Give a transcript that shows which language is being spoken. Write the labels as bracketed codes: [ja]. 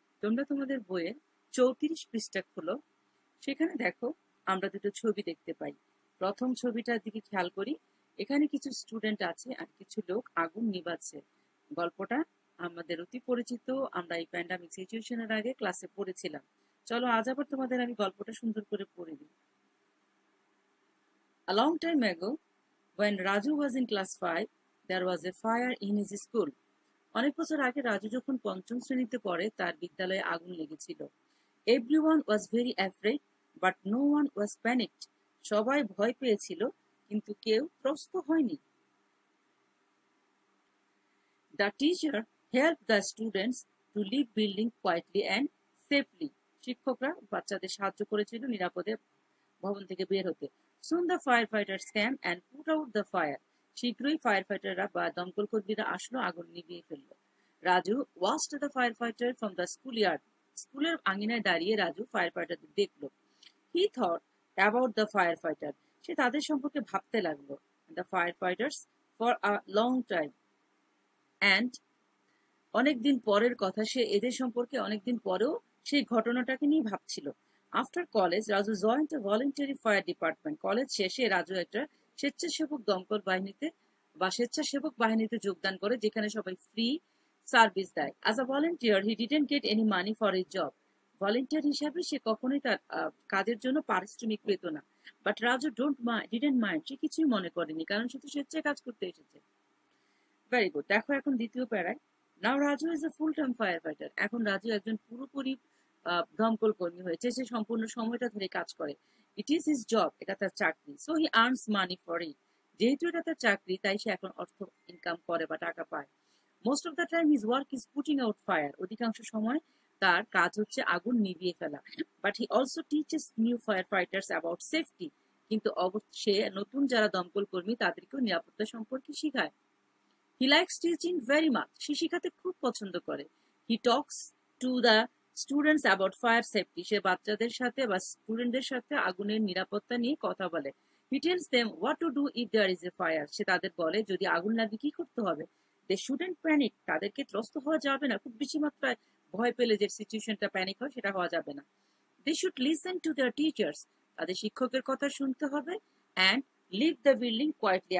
[bn] তোমরা তোমাদের বইয়ের 34 পৃষ্ঠা খুলো, সেখানে দেখো আমরা দুটো ছবি দেখতে পাই। প্রথম ছবিটার দিকে খেয়াল করি, এখানে কিছু স্টুডেন্ট আছে আর কিছু লোক আগুন নিভাচ্ছে। গল্পটা আমাদের অতি পরিচিত, আমরা এই প্যান্ডামিক সিচুয়েশনের আগে ক্লাসে পড়েছিলাম। চলো আজ আবার তোমাদের আমি গল্পটা সুন্দর করে পড়ে দিই। [en] A long time ago, when Raju was in class 5, there was a fire in his school. [bn] অনেক বছর আগে রাজু যখন পঞ্চম শ্রেণীতে পড়ে তার বিদ্যালয়ে আগুন লেগেছিল। [en] Everyone was very afraid, but no one was panicked. [bn] সবাই ভয় পেয়েছিল কিন্তু কেউ ত্রস্ত হয়নি। [en] The teacher helped the students to leave building quietly and safely. [bn] শিক্ষকরা বাচ্চাদের সাহায্য করেছিল নিরাপদে ভবন থেকে বের হতে। [en] Soon the firefighters came and put out the fire. [bn] শীঘ্রই ফায়ারফাইটাররা বা দমকলকর্মীরা আসলো, আগুন নিভিয়ে ফেললো। [en] Raju watched the firefighter from the schoolyard. [bn] স্কুলের আঙিনায় দাঁড়িয়ে রাজু ফায়ারফাইটারদের দেখলো। [en] He thought about the firefighter. [bn] সে তাদের সম্পর্কে ভাবতে লাগলো। [en] The firefighters for a long time. [bn] And অনেকদিন পরের কথা, সে এদের সম্পর্কে অনেকদিন পরেও সেই ঘটনাটাকে নিয়ে ভাবছিল। [en] After college Raju joined a voluntary fire department. [bn] কলেজ শেষে রাজু একটা স্বেচ্ছাসেবক দমকল বাহিনীতে বা স্বেচ্ছাসেবক বাহিনীতে যোগদান করে, যেখানে সবাই ফ্রি সার্ভিস দেয়। [en] As a volunteer he didn't get any money for his job. [bn] Volunteer হিসাবে সে কখনোই তার কাজের জন্য পারিশ্রমিক পেত না। [en] but Raju didn't mind, [bn] সে কিছুই মনে করেনি, কারণ সে তো স্বেচ্ছায় কাজ করতে এসেছে। [en] Very good. [bn] দেখো এখন দ্বিতীয় প্যারায়, [en] Now Raju is a full time firefighter. [bn] এখন রাজু একজন পুরোপুরি দমকল কর্মী হয়েছে, সে সম্পূর্ণ সময়টা ধরে কাজ করে। [en] it is his job, [bn] এটা তার চাকরি। [en] So he earns money for it. [bn] যেহেতু এটা তার চাকরি তাই সে এখন অর্থ ইনকাম করে বা টাকা পায়। [en] Most of the time his work is putting out fire. [bn] অধিকাংশ সময় তার কাজ হচ্ছে আগুন নিভিয়ে ফেলা। [en] But he also teaches new fire fighters about safety. [bn] কিন্তু সে নতুন যারা দমকল কর্মী তাদেরকেও নিরাপত্তা সম্পর্কে শেখায়। [en] He likes teaching very much. [bn] সে শিখাতে খুব পছন্দ করে। [en] He talks to the students about fire safety. [bn] সে বাচ্চাদের সাথে বা স্টুডেন্টদের সাথে আগুনের নিরাপত্তা নিয়ে কথা বলে। [en] He tells them what to do if there is a fire. [bn] সে তাদের বলে যদি আগুন লাগে কি করতে হবে। [en] They shouldn't panic. [bn] তাদেরকে ত্রস্ত হওয়া যাবে না। খুব বেশি মাত্রায় ভয় পেলে যে সিচুয়েশনটা প্যানিক হয় সেটা হওয়া যাবে না। [en] They should listen to their teachers. [bn] তাদের শিক্ষকের কথা শুনতে হবে। [en] And leave the building quietly.